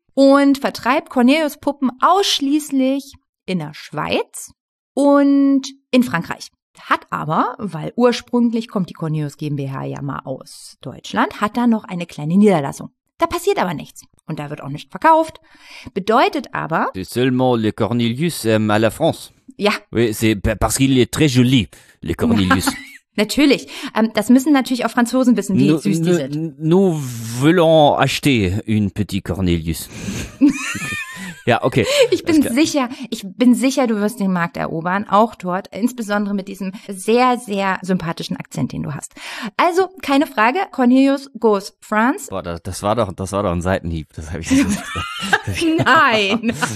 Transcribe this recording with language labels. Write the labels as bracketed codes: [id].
[de] Und vertreibt Cornelius Puppen ausschließlich in der Schweiz und in Frankreich. Hat aber, weil ursprünglich kommt die Cornelius GmbH ja mal aus Deutschland, hat da noch eine kleine Niederlassung. Da passiert aber nichts. Und da wird auch nicht verkauft. Bedeutet aber... [fr] C'est seulement le Cornelius à la France. [de] Ja. [fr] Oui, c'est parce qu'il est très joli, le Cornelius. [de] Natürlich. Das müssen natürlich auch Franzosen wissen, wie süß die sind. [fr] Nous voulons acheter une petite Cornelius. [de] Ja, okay. Ich bin sicher, du wirst den Markt erobern, auch dort, insbesondere mit diesem sehr, sehr sympathischen Akzent, den du hast. Also, keine Frage, Cornelius goes France. Boah, das war doch ein Seitenhieb, das habe ich nicht gesagt. Nein.